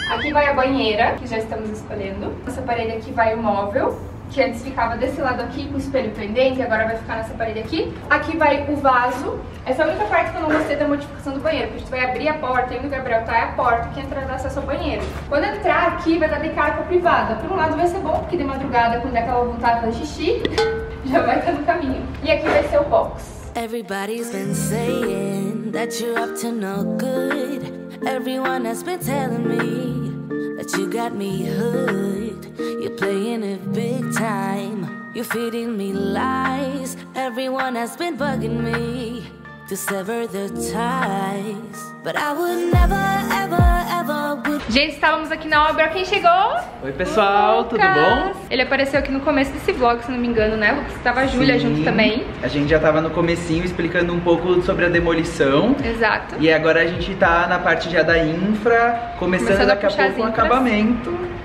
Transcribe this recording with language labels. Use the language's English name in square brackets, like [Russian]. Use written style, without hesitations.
[Portuguese] Aqui vai a banheira, que já estamos escolhendo. Nessa parede aqui vai o móvel, que antes ficava desse lado aqui com o espelho pendente, e agora vai ficar nessa parede aqui. Aqui vai o vaso. Essa é a única parte que eu não gostei da modificação do banheiro, porque a gente vai abrir a porta e o Gabriel tá é a porta que entra no acesso ao banheiro. Quando entrar aqui, vai dar de cara com a privada. Por um lado vai ser bom, porque de madrugada, quando der aquela vontade de xixi, já vai estar no caminho. E aqui vai ser o box. [English] Everybody's been saying that you're up to no good. Everyone has been telling me that you got me hooked. You're playing it big time. You're feeding me lies. Everyone has been bugging me to sever the ties. But I would never, ever, ever. [Portuguese] Gente, estávamos aqui na obra. Quem chegou? Oi, pessoal, Lucas. Tudo bom? Ele apareceu aqui no começo desse vlog, se não me engano, né, Lucas? Tava a Júlia junto também. A gente já tava no comecinho explicando um pouco sobre a demolição. Exato. E agora a gente tá na parte já da infra, começando daqui a pouco com o acabamento.